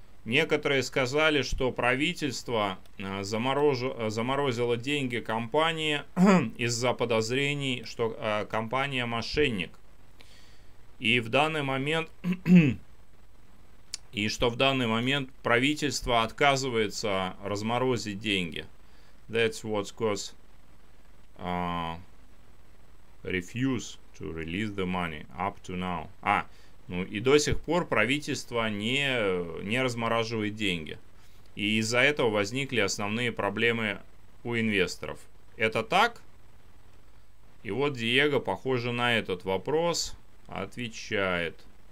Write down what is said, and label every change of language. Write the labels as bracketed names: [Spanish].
[Russian] Некоторые сказали, что правительство заморозило деньги компании из-за подозрений, что компания мошенник. И в данный момент и что в данный момент правительство отказывается разморозить деньги. [English] That's what caused refuse to release the money up to now. [Russian] Ну и до сих пор правительство не размораживает деньги. И из-за этого возникли основные проблемы у инвесторов. Это так? И вот Диего, похоже, на этот вопрос отвечает.